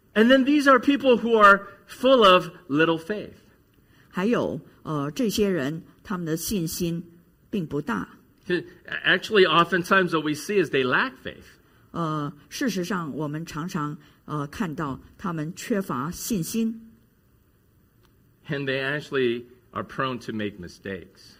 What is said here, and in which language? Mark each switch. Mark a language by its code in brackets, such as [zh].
[en] And then these are people who are full of little faith. [zh] 还有这些人他们的信心并不大。 [en] Actually, oftentimes what we see is they lack faith. [zh] 事实上我们常常看到他们缺乏信心。 [en] And they actually are prone to make mistakes.